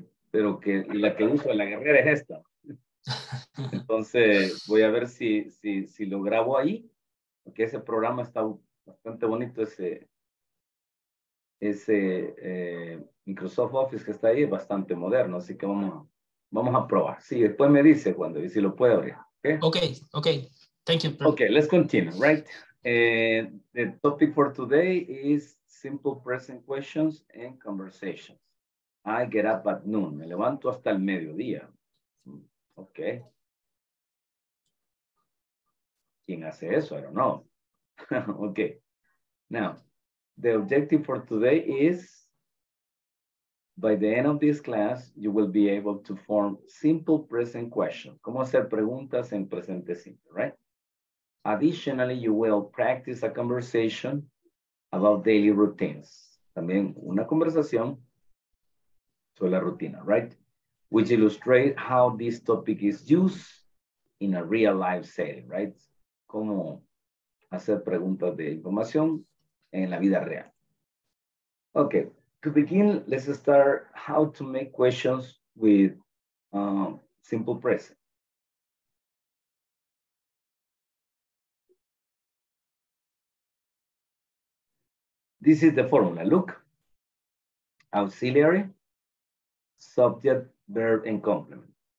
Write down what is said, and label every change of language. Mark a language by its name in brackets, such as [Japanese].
[Spanish] Pero que la que uso en la guerrera es esta. Entonces voy a ver si lo grabo ahí, porque ese programa está bastante bonito, ese Microsoft Office que está ahí es bastante moderno, así que vamos a probar. Sí, después me dice cuando y si lo puede abrir. [English] Okay, thank you. Okay, let's continue. Right, the topic for today is simple present questions and conversations. I get up at noon. [Spanish] Me levanto hasta el mediodía. [English] Ok. [Spanish] ¿Quién hace eso? [English] I don't know. Ok. Now, the objective for today is by the end of this class, you will be able to form simple present questions. [Spanish] ¿Cómo hacer preguntas en presente simple, [English] right? Additionally, you will practice a conversation about daily routines. [Spanish] También una conversación sobre la rutina, right? [English] Which illustrate how this topic is used in a real life setting, right? [Spanish] Cómo hacer preguntas de información en la vida real. [English] Okay, to begin, let's start how to make questions with simple present. This is the formula, look. Auxiliary, subject, verb, and complement.